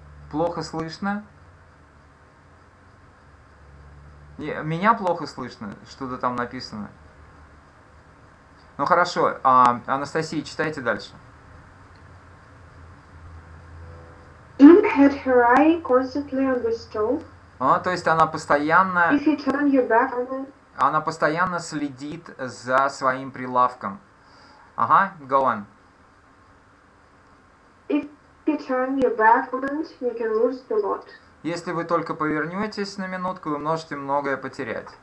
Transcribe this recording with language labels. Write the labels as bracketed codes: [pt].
[ru] Плохо слышно? Не, меня плохо слышно, что-то там написано. Ну хорошо, Анастасия, читайте дальше. [en] Jim had her eye constantly on the stove. [ru] То есть она постоянно... [en] If you turn your back on it. [ru] Она постоянно следит за своим прилавком. [en] Ага, go on. If you turn your back on it, you can lose a lot. [ru] Если вы только повернетесь на минутку, вы можете многое потерять.